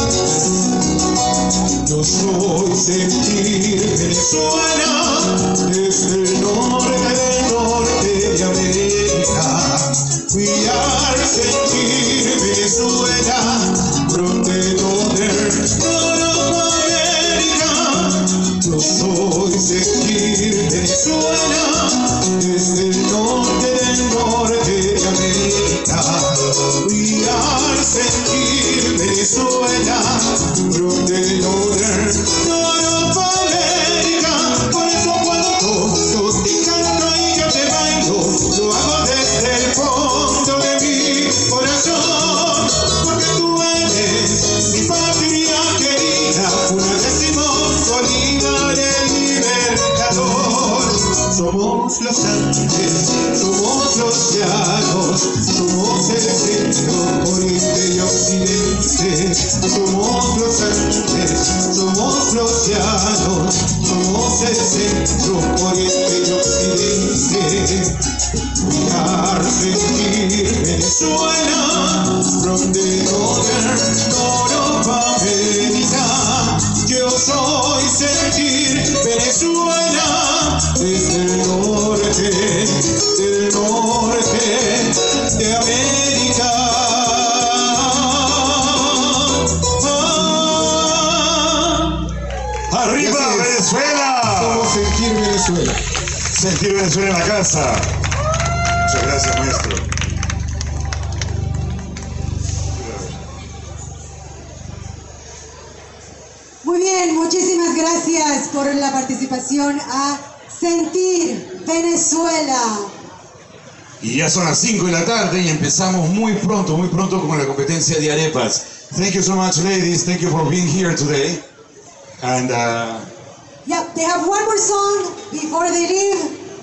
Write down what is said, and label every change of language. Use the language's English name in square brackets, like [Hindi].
[Spanish] Yo soy Sentir Venezuela, desde el norte del norte de América. [English] We are Sentir Venezuela, from the northern part of America. [Spanish] Yo soy Sentir Venezuela, desde el norte del norte de América. [English] We are Sentir Venezuela, from the northern part of America. [Spanish] Por eso cuando toco y canto y yo te bailo, lo hago desde el fondo de mi corazón. Porque tú eres mi patria querida, una décima colina del libertador. Somos los Andes, somos los llanos, somos el centro oriente y occidente. Somos los Andes, somos los llanos, somos el centro oriente y occidente. [English] Mirar, sentir Venezuela, from the northern shore of America. [Spanish] Yo soy Sentir Venezuela, desde el norte, del norte de América. Ah. ¡Arriba, Venezuela! Somos Sentir Venezuela. Sentir Venezuela en la casa. Muchas gracias, maestro. Muy bien, muchísimas gracias por la participación a Sentir Venezuela. Y ya son las 5 de la tarde y empezamos muy pronto con la competencia de arepas. [English] Thank you so much, ladies. Thank you for being here today. And yeah, they have one more song before they leave.